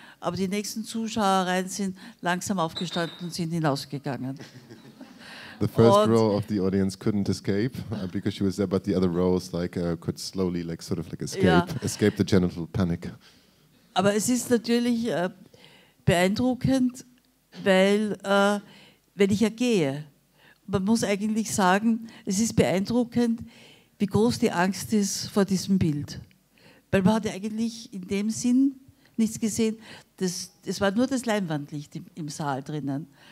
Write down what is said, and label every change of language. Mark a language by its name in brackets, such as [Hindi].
[German] Aber die nächsten Zuschauerreihen sind langsam aufgestanden und sind hinausgegangen. [English] The first row of the audience couldn't escape because she was there, but the other rows could slowly escape the genital panic. [German] Aber es ist natürlich beeindruckend, weil wenn ich ja gehe, man muss eigentlich sagen, es ist beeindruckend, wie groß die Angst ist vor diesem Bild. Weil man hat ja eigentlich in dem Sinn nichts gesehen. Das war nur das Leinwandlicht im Saal drinnen.